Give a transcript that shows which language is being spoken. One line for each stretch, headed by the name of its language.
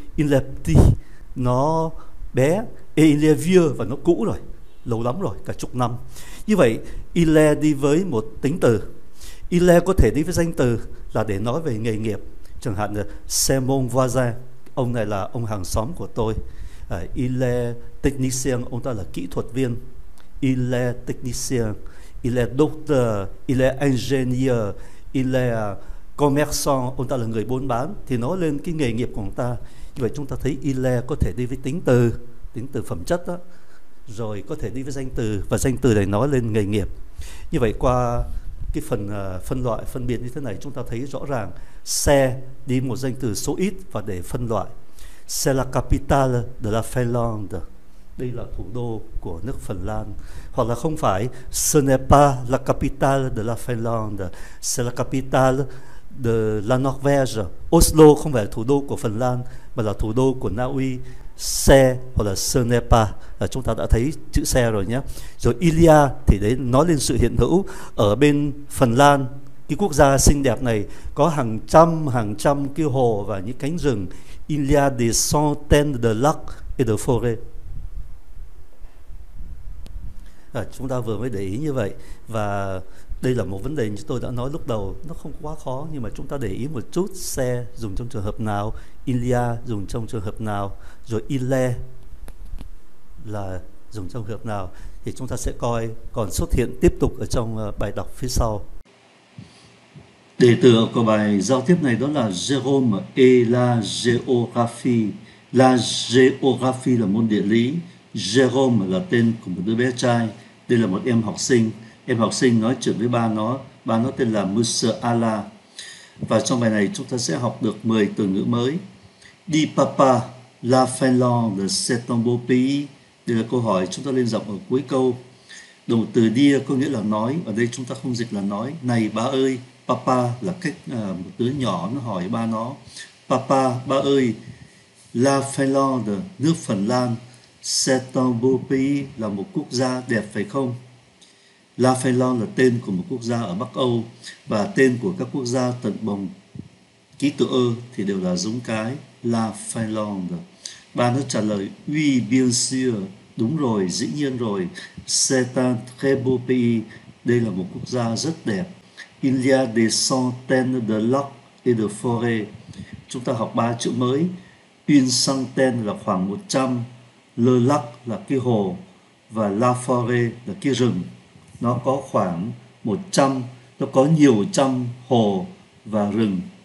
French: Il est petit,
Vietnamese: nó bé.
French: Et il est vieux,
Vietnamese: và nó cũ rồi, lâu lắm rồi, cả chục năm. Như vậy il est đi với một tính từ. Il est có thể đi với danh từ là để nói về nghề nghiệp. Chẳng hạn là
French: c'est mon voisin,
Vietnamese: ông này là ông hàng xóm của tôi.
French: Il est technicien,
Vietnamese: ông ta là kỹ thuật viên.
French: Il est technicien, il est docteur, il est ingénieur, il est commerçant,
Vietnamese: ông ta là người buôn bán. Thì nói lên cái nghề nghiệp của ông ta. Như vậy chúng ta thấy il est có thể đi với tính từ phẩm chất đó. Rồi có thể đi với danh từ, và danh từ này nói lên nghề nghiệp. Như vậy qua cái phần phân loại, phân biệt như thế này, chúng ta thấy rõ ràng xe đi một danh từ số ít và để phân loại.
French: C'est la capitale de la Finlande,
Vietnamese: đây là thủ đô của nước Phần Lan. Hoặc là không phải,
French: ce n'est pas la capitale de la Finlande, c'est la capitale de la Norvège.
Vietnamese: Oslo không phải là thủ đô của Phần Lan, mà là thủ đô của Na Uy. Se hoặc là
French: ce n'est pas,
Vietnamese: là chúng ta đã thấy chữ se rồi nhé. Rồi il y a thì đấy, nói lên sự hiện hữu. Ở bên Phần Lan, cái quốc gia xinh đẹp này, có hàng trăm cái hồ và những cánh rừng.
French: Il y a des centaines de lacs et de forêts.
Vietnamese: Chúng ta vừa mới để ý như vậy. Và đây là một vấn đề như tôi đã nói lúc đầu, nó không quá khó, nhưng mà chúng ta để ý một chút. Xe dùng trong trường hợp nào, il y a dùng trong trường hợp nào, rồi il est là dùng trong trường hợp nào, thì chúng ta sẽ coi còn xuất hiện tiếp tục ở trong bài đọc phía sau. Đề tựa của bài giao tiếp này đó là Jérôme et la géographie. La géographie là môn địa lý. Jérôme là tên của một đứa bé trai. Đây là một em học sinh. Em học sinh nói chuyện với ba nó. Ba nó tên là Monsieur Alain. Và trong bài này chúng ta sẽ học được 10 từ ngữ mới.
French: Đi papa, la Finlande, c'est un beau pays.
Vietnamese: Đây là câu hỏi chúng ta lên giọng ở cuối câu. Đồng từ dire có nghĩa là nói. Ở đây chúng ta không dịch là nói. Này ba ơi, papa là cách một đứa nhỏ nó hỏi ba nó. Papa, ba ơi, la Finlande, nước Phần Lan,
French: c'est un beau pays,
Vietnamese: là một quốc gia đẹp phải không? La Finlande là tên của một quốc gia ở Bắc Âu, và tên của các quốc gia tận bồng ký tự ơ thì đều là giống cái La Finlande. Ba nó trả lời
French: oui bien sûr,
Vietnamese: đúng rồi, dĩ nhiên rồi.
French: C'est un très beau pays,
Vietnamese: đây là một quốc gia rất đẹp.
French: Il y a des centaines de lacs et de forêts.
Vietnamese: Chúng ta học ba chữ mới. Une centaine là khoảng 100, le lac là cái hồ, và la forêt là cái rừng. Nó có khoảng 100, nó có nhiều trăm hồ và rừng.